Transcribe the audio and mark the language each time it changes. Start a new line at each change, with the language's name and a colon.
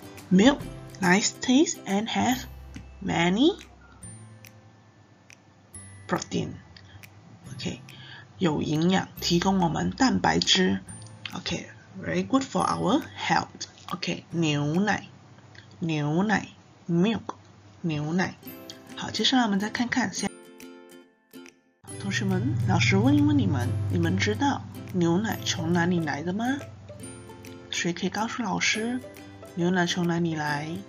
English: Milk, nice taste and have many protein.
Chinese: OK, 有营养，提供我们蛋白质。
English: OK, very good for our health.
Chinese: OK, 牛奶，牛奶 ，milk, 牛奶。好，接下来我们再看看下。同学们，老师问一问你们，你们知道牛奶从哪里来的吗？谁可以告诉老师？牛奶从哪里来？